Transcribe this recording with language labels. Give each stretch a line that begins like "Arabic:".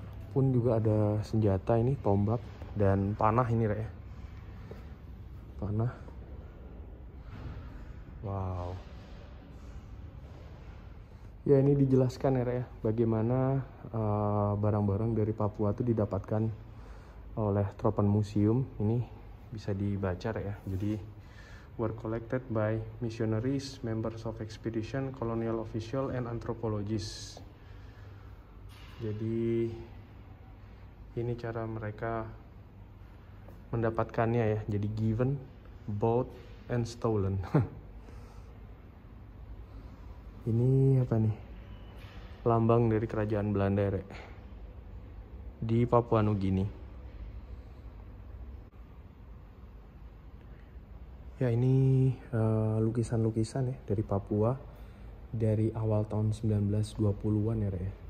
Indonesian: Pun juga ada senjata ini, tombak dan panah ini, Rek. Panah. Wow. Ya, ini dijelaskan ya, Rek, ya, bagaimana barang-barang dari Papua itu didapatkan oleh Tropen Museum. Ini bisa dibaca, Rek, ya.
English: Jadi, were collected by missionaries, members of expedition, colonial official and anthropologists.
Indonesian: Jadi ini cara mereka mendapatkannya ya.
English: Jadi given, bought and stolen.
Indonesian: Ini apa nih? Lambang dari kerajaan Belanda, Rek. Di Papua Nugini. Ya, ini lukisan-lukisan ya dari Papua dari awal tahun 1920-an ya, Rek.